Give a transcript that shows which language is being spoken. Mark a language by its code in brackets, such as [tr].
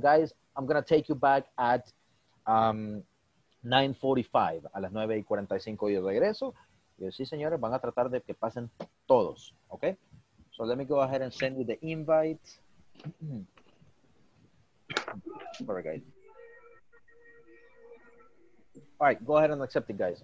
[en] Guys, I'm going to take you back at 9:45. [es] A las 9:45 yo regreso. Yo, sí, señores, van a tratar de que pasen todos, ¿ok? [en] So let me go ahead and send you the invite. All right, go ahead and accept it, guys.